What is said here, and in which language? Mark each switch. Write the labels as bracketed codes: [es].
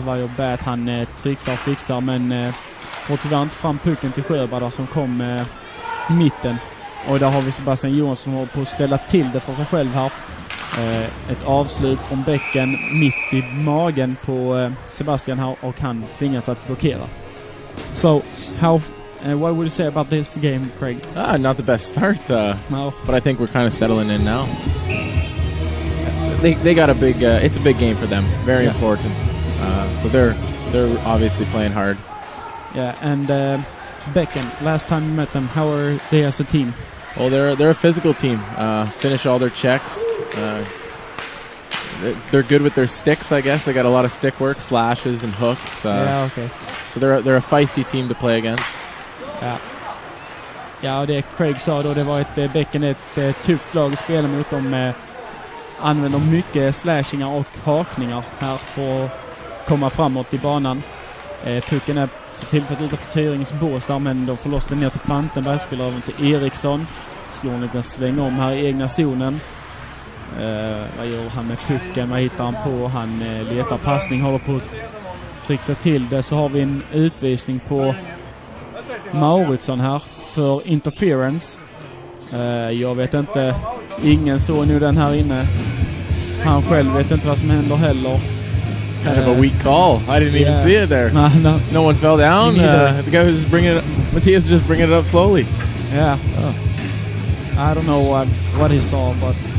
[sv] Varje Bät han trixar och fixar men får tyvärr inte fram pucken till Sjöberg som kom i mitten. Och där har vi Sebastian Johansson som håller på att ställa till det för sig själv här. Ett avslut från bäcken mitt i magen på Sebastian här och han tvingas att blockera. [en] So how what would you say about this game, Craig? Not the best start No. But I think we're kind of settling in now. They got a big it's a big game for them, very yeah. important. So they're obviously playing hard. Yeah, and Bäcken, last time you met them, how are they as a team? Well, they're a physical team. Finish all their checks. They're good with their sticks, I guess. They got a lot of stick work, slashes and hooks. Yeah, okay. So they're a feisty team to play against. Yeah. [sv] Ja, och det Craig sa då, det var ett Bäcken, ett tufft lag att spela mot. De använder mycket slashingar och hakningar här för att komma framåt i banan. Pucken är tillfället utanför Tyringens bås där, men de får loss den ner till Fantenberg. Spelar även till Eriksson. Slår en liten sväng om här i egna zonen. Vad gör han med pucken? Vad hittar han på? Han letar passning, håller på att trixa till det. Så har vi en utvisning på Mauritsson här för interference. Jag vet inte. Ingen såg nu den här inne. Han själv vet inte vad som händer heller. [en] Kind of a weak call. I didn't even see it there. No one fell down. The guy was bringing it up. Matthias just bringing it up slowly. Yeah. I don't know what he saw, but